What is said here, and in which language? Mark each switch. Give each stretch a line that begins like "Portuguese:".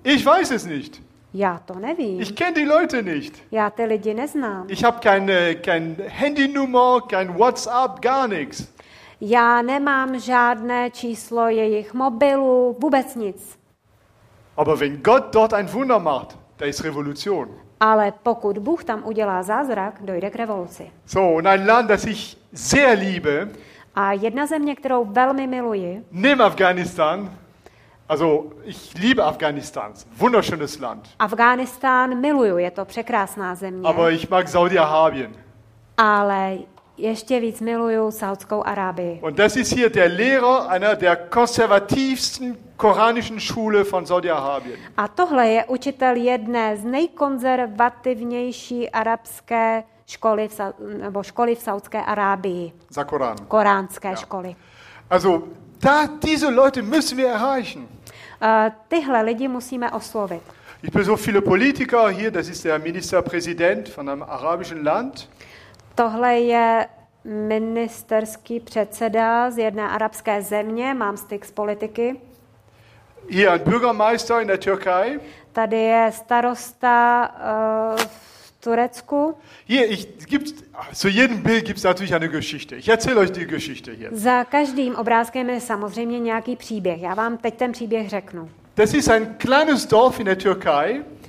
German: Ich weiß es nicht.
Czech: Já to nevím.
German: Ich kenne die Leute nicht.
Czech: Já ty lidi neznám.
German: Ich habe kein Handynummer, kein WhatsApp, gar nichts.
Czech: Já nemám žádné číslo jejich mobilu, vůbec nic.
German: Aber wenn Gott dort ein Wunder macht, da ist Revolution.
Czech: Ale pokud Bůh tam udělá zázrak, dojde k revoluci.
German: So, und ein Land, das ich sehr liebe.
Czech: A jedna země, kterou velmi miluji.
German: Nimm Afghanistan. Also, ich liebe Afghanistan. Wunderschönes Land.
Czech: Afghánistán miluju, je to překrásná země.
German: Aber ich mag Saudi-Arabien.
Czech: Ale ještě víc miluju Saudskou Arábii.
German: Und das ist hier der Lehrer einer der konservativsten koranischen Schule von Saudi-Arabien.
Czech: A tohle je učitel jedné z nejkonzervativnější arabské školy nebo školy v Saudské Arábii. Za Korán. Koránské školy.
German: Also, diese Leute müssen wir erreichen.
Czech: Tyhle lidi musíme oslovit.
German: Ich bin so viele Politiker hier, das ist der Ministerpräsident von einem arabischen Land.
Czech: Tohle je ministerský předseda z jedné arabské země, mám styk s politiky.
German: Hier ein Bürgermeister in der Türkei.
Czech: Tady je starosta Turecku.
German: Hier, ich gibt zu jedem Bild gibt's natürlich eine Geschichte. Ich erzähle euch die Geschichte hier.
Czech: Za každým obrázkem je samozřejmě nějaký příběh. Já vám teď ten příběh řeknu.
German: Das ist ein kleines Dorf in der Türkei.